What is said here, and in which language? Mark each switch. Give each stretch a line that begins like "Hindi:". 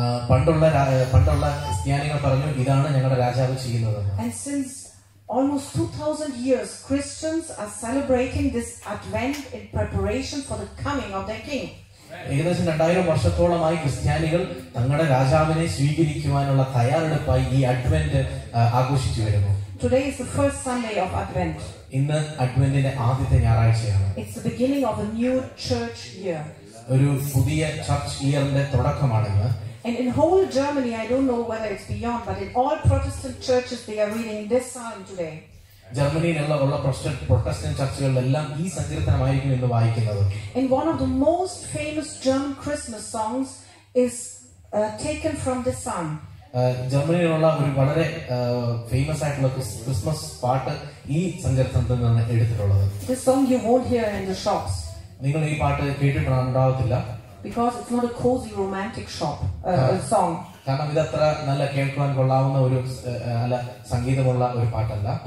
Malayalam: പണ്ടുള്ള ക്രിസ്ത്യാനികൾ പറഞ്ഞു ഇതാണ് ഞങ്ങളുടെ രാജാവ് ചെയ്യുന്നത്.
English: Almost 2000 years Christians are celebrating this Advent in preparation for the coming of their king.
Malayalam: ഏകദേശം 2000 വർഷത്തോളമായി ക്രിസ്ത്യാനികൾ തങ്ങളുടെ രാജാവിനെ സ്വീകരിക്കുവാനുള്ള തയ്യാറെടുപ്പായി ഈ അഡ്വന്റ് ആഘോഷിച്ചു വരുന്നു.
English: Today is the first Sunday of Advent.
Malayalam: ഇന്ന് അഡ്വന്റിന്റെ ആദ്യത്തെ ഞായറാഴ്ചയാണ്.
English: It's the beginning of a new church year.
Malayalam: ഒരു പുതിയ ചർച്ച് ഇയറിന്റെ തുടക്കമാണ് ഇന്ന്.
English: And in whole Germany, I don't know whether it's beyond, but in all Protestant churches, they are reading this psalm today.
Malayalam: ജർമ്മനിയിലുള്ള Protestant ചർച്ചുകളിലെല്ലാം ഈ സങ്കീർത്തനമായിരിക്കും ഇന്ന് വായിക്കുന്നത്.
English: In one of the most famous German Christmas songs is taken from this psalm.
Malayalam: ജർമ്മനിയിലുള്ള ഒരു വളരെ famous ആയിട്ടുള്ള Christmas പാട്ട് ഈ സങ്കീർത്തനത്തിൽ നിന്നാണ് എടുത്തിട്ടുള്ളത്.
English: This song you won't hear in the shops.
Malayalam: നിങ്ങൾ ഈ പാട്ട് കേട്ടിട്ടുണ്ടാവില്ല.
English: Because it's not a cozy romantic shop song.
Malayalam: കാരണം ഇതത്ര നല്ല കേൾക്കുവാൻ കൊള്ളാവുന്ന ഒരു നല്ല സംഗീതമുള്ള ഒരു പാട്ടല്ല.